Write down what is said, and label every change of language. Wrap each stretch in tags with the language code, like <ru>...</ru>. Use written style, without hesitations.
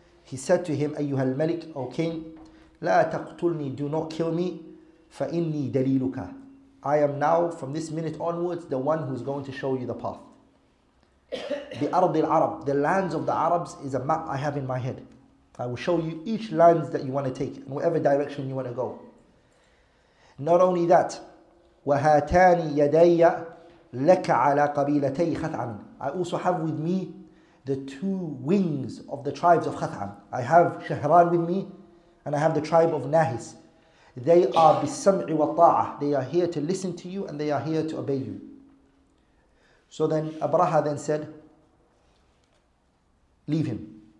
<en>He said to him,</en> <ar>أيها الملك,</ar> <en>O king,</en> <ar>لا تقتلني,</ar> <en>do not kill me,</en> <ar>فإني دليلك.</ar> <en>I am now, from this minute onwards, the one who's going to show you the path. The Ard al-Arab, the lands of the Arabs, is a map I have in my head. I will show you each lands that you want to take, in whatever direction you want to go. Not only that,</en> <ar>وَهَاتَانِ يَدَيَّ لَكَ عَلَىٰ قَبِيلَتَيْ خَثْعَمٍ.</ar> <en>I also have with me the two wings of the tribes of Khath'am. I have Shahran with me, and I have the tribe of Nahis. They are</en> <ar>بِالسَّمْعِ وَالطَّاعَةِ.</ar> <en>They are here to listen to you, and they are here to obey you. So then Abraha then said, leave him.</en>